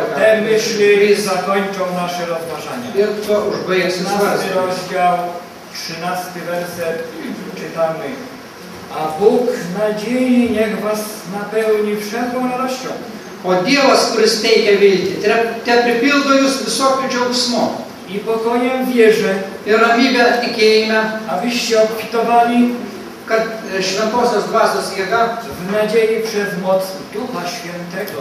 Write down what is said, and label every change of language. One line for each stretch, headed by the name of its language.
Polish: Te myśli zakończą nasze rozważania. 15 rozdział, 13 werset, czytamy. A Bóg nadziei niech was napełni wszelką radością.
Lithuanian: O Dievas, kuris teikia viltį, te pripildo jūs visokio džiaugsmo.
Polish: I pokojem vierze.
Lithuanian: Ir ramybę tikėjime.
Polish: Abyście obfitovali.
Lithuanian: Kad šventosios dvasios jėga.
Polish: W nadziei przez moc Ducha Świętego.